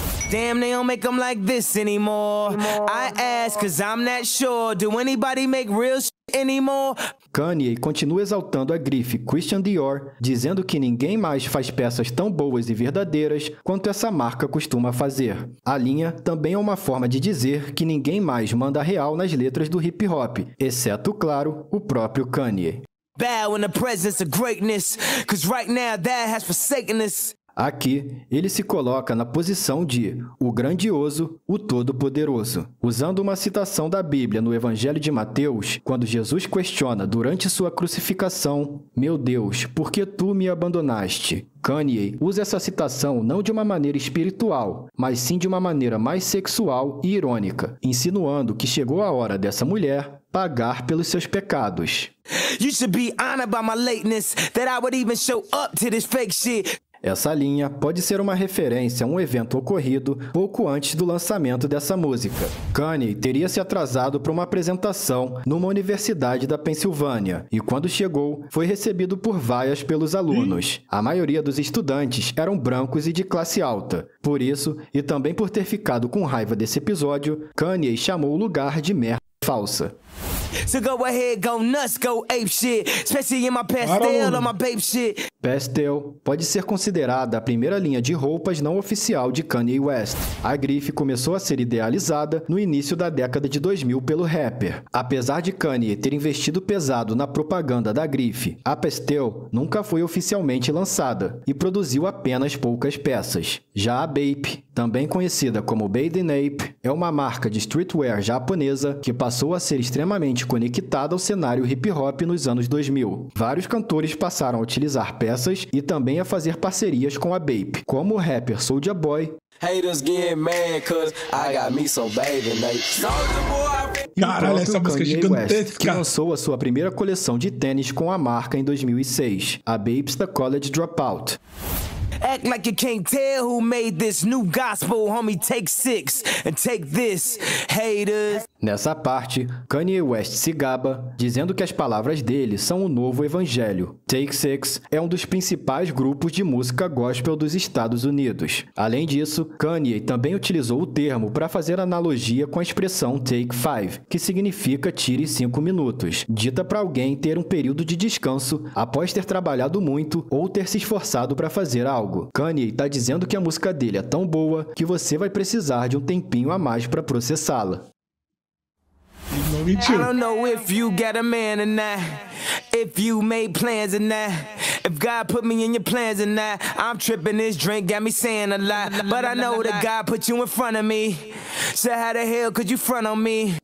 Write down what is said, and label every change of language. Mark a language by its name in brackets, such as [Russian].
[English] Damn, they don't make them like this anymore. I ask, 'cause I'm not sure. Do anybody make real shit anymore? [Portuguese] Kanye continua exaltando a grife Christian Dior, dizendo que ninguém mais faz peças tão boas e verdadeiras quanto essa marca costuma fazer. A linha também é uma forma de dizer que ninguém mais manda real nas letras do hip hop, exceto, claro, o próprio Kanye. [English] Bow in the presence of greatness, 'cause right now that has forsaken us. [Portuguese] Aqui, ele se coloca na posição de o grandioso, o todo-poderoso. Usando uma citação da Bíblia no Evangelho de Mateus, quando Jesus questiona durante sua crucificação, "Meu Deus, por que tu me abandonaste?" Kanye usa essa citação não de uma maneira espiritual, mas sim de uma maneira mais sexual e irônica, insinuando que chegou a hora dessa mulher pagar pelos seus pecados. [English] You should be honored by my lateness, that I would even show up to this fake shit. [Portuguese] Essa linha pode ser uma referência a um evento ocorrido pouco antes do lançamento dessa música. Kanye teria se atrasado para uma apresentação numa universidade da Pensilvânia e, quando chegou, foi recebido por vaias pelos alunos. A maioria dos estudantes eram brancos e de classe alta. Por isso, e também por ter ficado com raiva desse episódio, Kanye chamou o lugar de merda falsa. [English] So go ahead, go nuts, go ape shit, especially in my pastel or my babe shit. [Portuguese] Pastel pode ser considerada a primeira linha de roupas não oficial de Kanye West. A grife começou a ser idealizada no início da década de 2000 pelo rapper. Apesar de Kanye ter investido pesado na propaganda da grife, a Pastel nunca foi oficialmente lançada e produziu apenas poucas peças. Já a Bape, também conhecida como Bathing Ape, é uma marca de streetwear japonesa que passou a ser extremamente conectada ao cenário hip-hop nos anos 2000. Vários cantores passaram a utilizar peças e também a fazer parcerias com a Bape, como o rapper Soulja Boy. [English] Haters get mad cause I got me some Bathing Ape. [Portuguese] Caralho, essa música é gigantesca. Que lançou a sua primeira coleção de tênis com a marca em 2006, a Bape's The College Dropout. [English] Act like you can't tell who made this new gospel, homie, take six and take this, haters. [Portuguese] Nessa parte, Kanye West se gaba, dizendo que as palavras dele são o novo evangelho. Take Six é um dos principais grupos de música gospel dos Estados Unidos. Além disso, Kanye também utilizou o termo para fazer analogia com a expressão Take Five, que significa tire 5 minutos, dita para alguém ter um período de descanso após ter trabalhado muito ou ter se esforçado para fazer algo. Kanye está dizendo que a música dele é tão boa que você vai precisar de um tempinho a mais para processá-la. [English] I don't know if you got a man or not, if you made plans or not, if God put me in your plans or not. I'm tripping, this drink got me saying a lot, but I know that God put you in front of me, so how the hell could you front on me?